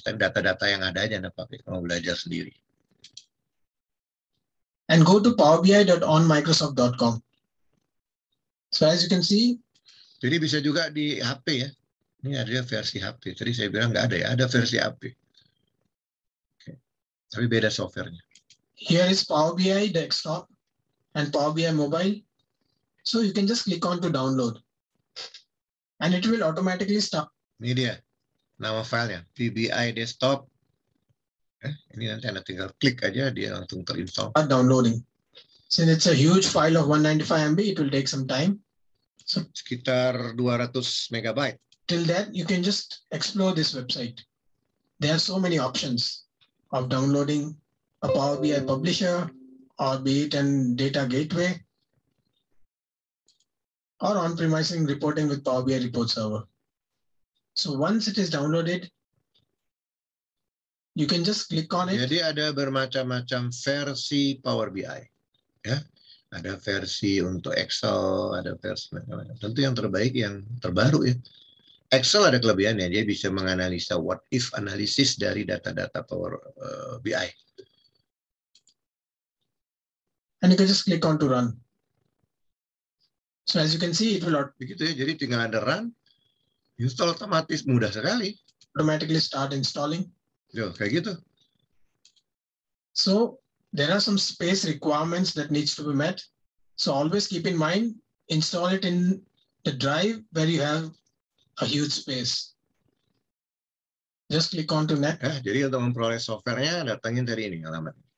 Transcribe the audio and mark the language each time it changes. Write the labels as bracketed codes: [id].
[id] Tapi data-data yang ada aja Anda pakai kalau belajar sendiri. [en] And go to powerbi.onmicrosoft.com. So as you can see. [id] Jadi bisa juga di HP ya. Ini ada versi HP. Jadi saya bilang nggak ada ya, ada versi HP. Okay. Tapi beda software-nya. [en] Here is Power BI desktop and Power BI mobile. So you can just click on to download. And it will automatically start. [id] Ini dia, nama filenya, PBI desktop. Ini nanti Anda tinggal klik aja, dia langsung terinstall. [en] Start downloading. Since it's a huge file of 195 MB, it will take some time. [id] So, sekitar 200 MB. [en] Till that, you can just explore this website. There are so many options of downloading a Power BI publisher, or be it a data gateway, or on-premise reporting with Power BI report server. So once it is downloaded, you can just click on it. [id] Jadi ada bermacam-macam versi Power BI. Ya. Ada versi untuk Excel, ada versi macam-macam. Tentu yang terbaik, yang terbaru ya. Excel ada kelebihannya, dia bisa menganalisa what if analysis dari data-data Power BI. [en] And you can just click on to run. So as you can see, it will not. [id] Begitu ya, jadi tinggal ada run, install otomatis, mudah sekali. [en] Automatically start installing. [id] Yo, kayak gitu. [en] So there are some space requirements that needs to be met. So always keep in mind, install it in the drive where you have a huge space. Just click on to next. [id] Eh, jadi untuk memproses softwarenya datangin dari ini alamat.